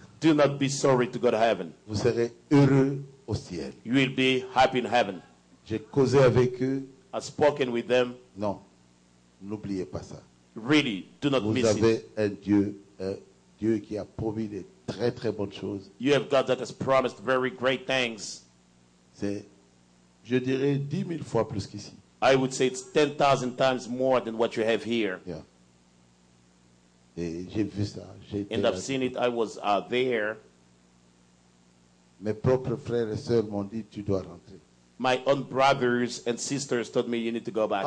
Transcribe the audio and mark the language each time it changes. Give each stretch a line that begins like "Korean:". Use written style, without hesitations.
English: Do not be sorry to go to heaven.
French: Vous serez heureux au ciel.
English: You will be happy in heaven.
French: J'ai causé avec eux.
English: I've spoken with them.
French: Non, n'oubliez pas ça.
English: Really, do not
French: vous
English: miss it.
French: Vous avez un Dieu qui a promis des très très bonnes choses.
English: You have God that has promised very great things.
French: C'est, je dirais, 10,000 fois plus qu'ici.
English: I would say it's 10,000 times more than what you have here.
French: Yeah. Et j'ai vu ça.
English: And I've seen it. I was there.
French: Mes propres frères et sœurs m'ont dit, tu dois rentrer.
English: My own brothers and sisters told me you need to go back.